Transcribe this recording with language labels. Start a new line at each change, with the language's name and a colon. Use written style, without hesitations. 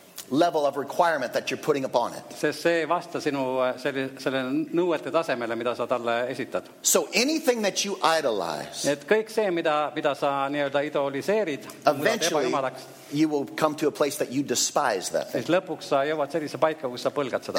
English: level of requirement that you're putting upon it.
Estonian: See vasta sinu selle nõuete tasemele, mida sa talle esitad.
English: So anything that you idolize,
Estonian: et kõik see, mida sa nii-öelda idoliseerid,
English: eventually you will come to a place that you despise that thing.
Estonian: Lõpuks sa jõuad sellise paika, kus sa põlgad seda.